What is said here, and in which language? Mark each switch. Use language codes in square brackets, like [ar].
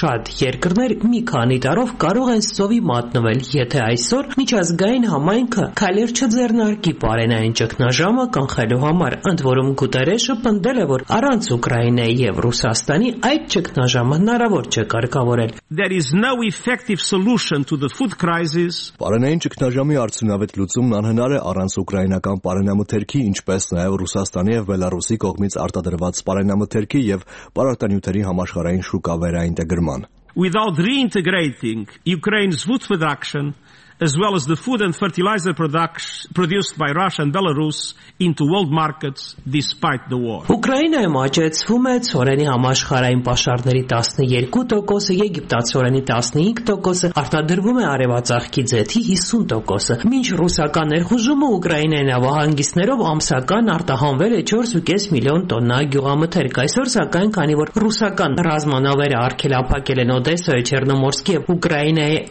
[hy] Շատ երկրներ մի քանի տարով կարող են սովի մատնվել, եթե այսօր միջազգային համայնքը քայլեր չձեռնարկի պարենային ճգնաժամը կանխելու համար։ Ընդ որում Գուտերեշը պնդել է, որ առանց Ուկրաինայի և Ռուսաստանի այդ ճգնաժամը հնարավոր չէ կարգավորել։ [en] There is no effective solution to the food crisis. [hy] Նաև ճգնաժամի արդյունավետ լուծումն անհնար է առանց ուկրաինական պարենամթերքի, ինչպես նաև Ռուսաստանի և Բելարուսի կողմից արտադրված պարենամթերքի և պարարտանյութերի համաշխարհային շուկա վերաինտեգրման։ [en] Without reintegrating Ukraine's food production as well as the food and fertilizer produced by Russia and Belarus into world markets despite the war. [hy] Ուկրաինայի մաճեցվում է ցորենի համաշխարհային պաշարների 12%-ը, եգիպտացորենի 15%-ը, արտադրվում է արևածաղկի ձեթի 50%-ը, մինչ ռուսական ներխուժումը Ուկրաինայի նավահանգիստներով ամսական արտահանվել է 4.5 միլիոն տոննա գյուղամթերք։ Այսօր, սակայն, քանի որ ռուսական ռազմանավերը արգելափակել են Օդեսայի, Չեռնոմորսկի և Ուկրաինայի